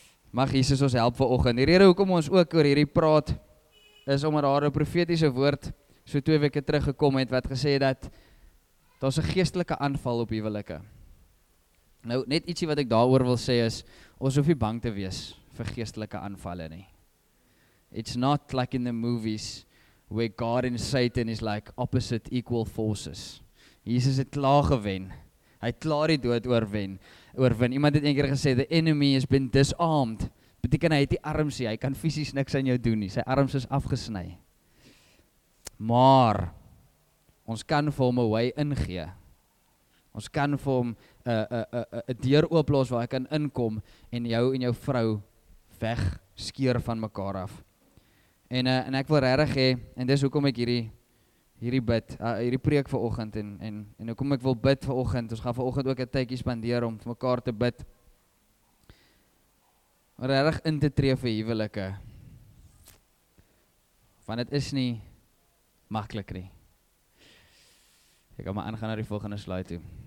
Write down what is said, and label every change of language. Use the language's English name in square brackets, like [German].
[Afrikaans] Mag Jesus ons help vanoggend. Die rede hoekom ons ook oor hierdie praat is omdat daar 'n profetiese woord so 2 weke terug gekom het wat gesê het dat daar is 'n geestelike aanval op huwelike. Nou, net ietsie wat ek daaroor wil sê is, ons hoef nie bang te wees vir geestelike aanvalle nie. [English] It's not like in the movies where God and Satan is like opposite equal forces. [Afrikaans] Jesus het klaar gewen. Hy het klaar die dood oorwin. Iemand het een keer gesê, [English] the enemy has been disarmed. [Afrikaans] Beteken hy het die arms nie, hy kan fisies niks aan jou doen nie. Sy arms is afgesny. Maar ons kan vir hom 'n way ingee. Ons kan vir hom 'n deur ooplos waar hy kan inkom en jou vrou weg skeer van mekaar af. En ek wil regtig hê, en dis hoekom ek hierdie bid, hierdie preek vanoggend en hoekom ek wil bid vanoggend. Ons gaan vanoggend ook 'n tydjie spandeer om vir mekaar te bid. Regtig in te tree vir huwelike. Want dit is nie maklik nie. Ek gaan maar aangaan naar die volgende slide toe.